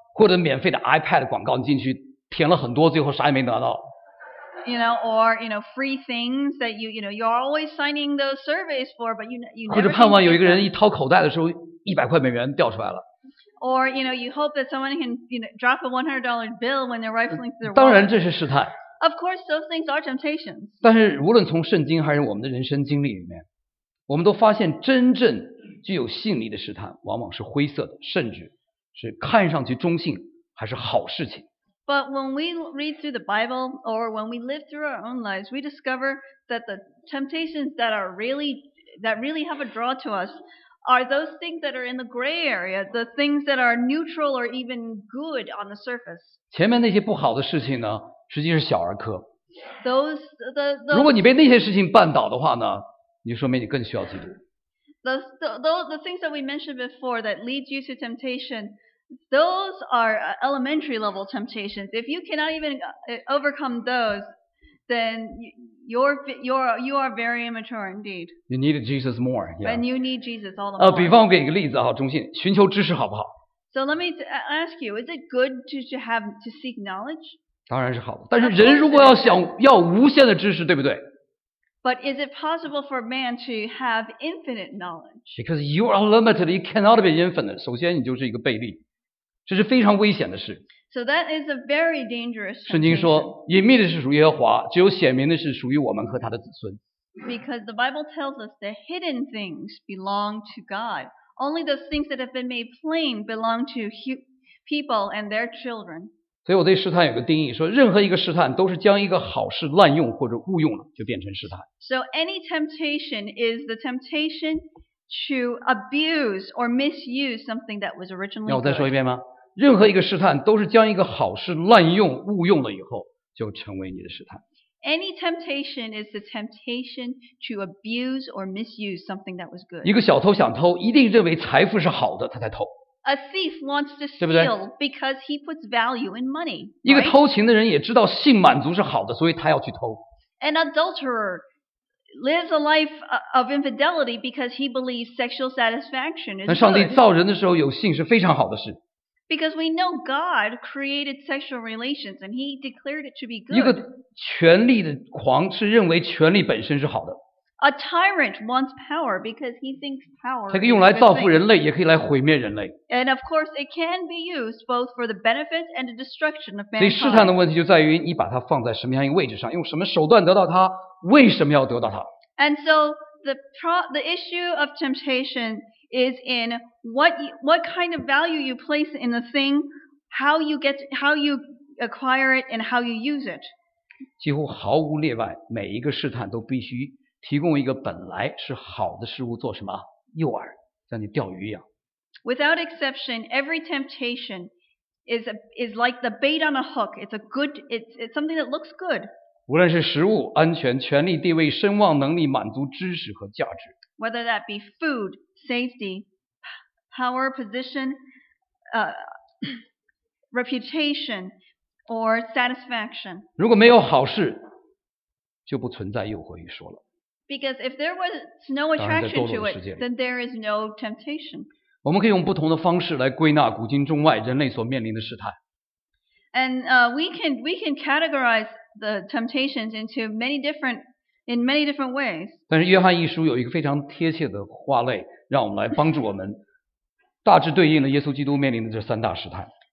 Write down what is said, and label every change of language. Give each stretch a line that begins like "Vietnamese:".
Chinese: 或者免费的 iPad 广告，你进去填了很多，最后啥也没得到。
English: You know, or you know, free things that you know you're always signing those surveys for, but you never.
Chinese: 或者盼望有一个人一掏口袋的时候。 $100掉出来了。
English: Or, you know, you hope that someone can, you know, drop a $100 bill when they're rifling through their wallet.
Chinese: 当然这是试探。
English: Of course, those things are temptations.
Chinese: 但是无论从圣经还是我们的人生经历里面，我们都发现真正具有吸引力的试探往往是灰色的，甚至是看上去中性还是好事情。
English: But when we read through the Bible or when we live through our own lives, we discover that the temptations that really have a draw to us. Are those things that are in the gray area, the things that are neutral or even good on the surface?
Chinese: 前面那些不好的事情呢，实际是小儿科。
English: Those
Chinese: 如果你被那些事情绊倒的话呢，你说明你更需要基督。
English: The things that we mentioned before that lead you to temptation, those are elementary level temptations. If you cannot even overcome those, then you are very immature indeed. You need Jesus more. And、 yeah. you need Jesus all the time.
Chinese: 比方我给一个例子哈，中信，寻求知识好不好
English: ？So let me ask you, is it good to seek knowledge?
Chinese: 当然是好的，但是人如果要想要无限的知识，对不对
English: ？But is it possible for man to have infinite knowledge? Because you are limited, you cannot be infinite.
Chinese: 首先，你就是一个悖逆，这是非常危险的事。
English: So that is a very dangerous thing.
Chinese: 圣经说，隐秘的是属于耶和华，只有显明的是属于我们和他的子孙。
English: Because the Bible tells us that hidden things belong to God. Only those things that have been made plain belong to people and their children.
Chinese: 所以我对试探有个定义，说任何一个试探都是将一个好事滥用或者误用了，就变成试探。
English: So any temptation is the temptation to abuse or misuse something that was originally good.
Chinese: 要我再说一遍吗？任何一个试探都是将一个好事滥用、误用了以后，就成为你的试探。
English: Any temptation is the temptation to abuse or misuse something that was good.
Chinese: 一个小偷想偷，一定认为财富是好的，他才偷。
English: A thief wants to steal because he puts value in money.
Chinese: 一个偷情的人也知道性满足是好的，所以他要去偷。
English: An adulterer lives a life of infidelity because he believes sexual satisfaction is good.
Chinese: 那上帝造人的时候有性是非常好的事。
English: Because we know God created sexual relations and he declared it to be good.
Chinese: 一个权力的狂是认为权力本身是好的。
English: A tyrant wants power because he thinks power is good.
Chinese: 他用来造福人类也可以来毁灭人类。
English: And of course it can be used both for the benefit and the destruction of mankind.
Chinese: 所以试探的问题就在于你把它放在什么样一个位置上，用什么手段得到它，为什么要得到它。
English: And so the issue of temptation is in what kind of value you place in the thing, how you acquire it, and how you use it.
Chinese: 几乎毫无例外，每一个试探都必须提供一个本来是好的事物做什么诱饵，像你钓鱼一样。
English: Without exception, every temptation is like the bait on a hook. It's a good. It's something that looks good.
Chinese: 无论是食物、安全、权力、地位、声望、能力、满足、知识和价值。
English: Whether that be food. Safety, power, position, reputation, or satisfaction.
Chinese: 如果没有好事，就不存在诱惑与说了。
English: Because if there was no attraction to it, then there is no temptation.
Chinese: 我们可以用不同的方式来归纳古今中外人类所面临的试探。
English: And we can categorize the temptations into many different ways.
Chinese: 但是约翰一书有一个非常贴切的话类，让我们来帮助我们，大致对应了耶稣基督面临的这三大试探。